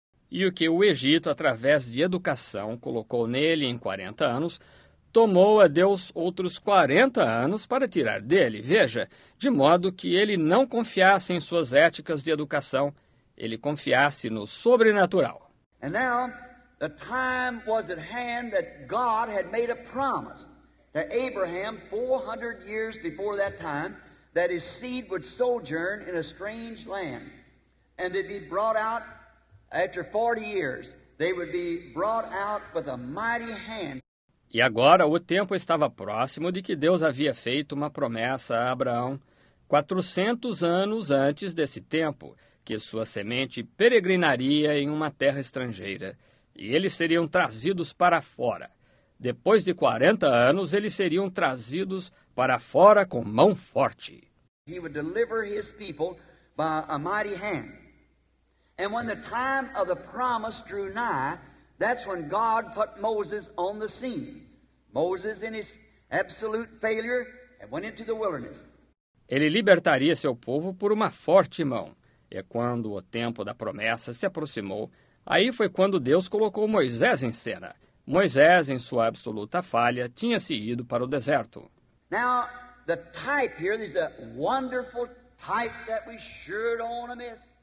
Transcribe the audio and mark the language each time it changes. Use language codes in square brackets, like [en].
[pt] E o que o Egito, através de educação, colocou nele em 40 anos, tomou a Deus outros 40 anos para tirar dele, veja, de modo que ele não confiasse em suas éticas de educação, ele confiasse no sobrenatural. [en] And now, the time was at hand that God had made a promise to Abraham 400 years before that time, that his seed would sojourn in a strange land, and they'd be brought out after 40 years. They would be brought out with a mighty hand. [pt] E agora o tempo estava próximo de que Deus havia feito uma promessa a Abraão 400 anos antes desse tempo, que sua semente peregrinaria em uma terra estrangeira, e eles seriam trazidos para fora. Depois de 40 anos, eles seriam trazidos para fora com mão forte. [en] He would deliver his people by a mighty hand. And when the time of the promise drew nigh, that's when God put Moses on the scene. Moses, in his absolute failure, went into the wilderness. [pt] Ele libertaria seu povo por uma forte mão. E quando o tempo da promessa se aproximou, aí foi quando Deus colocou Moisés em cena. Moisés, em sua absoluta falha, tinha se ido para o deserto. [en] Now, the type here, there's a wonderful type that we sure don't want to miss.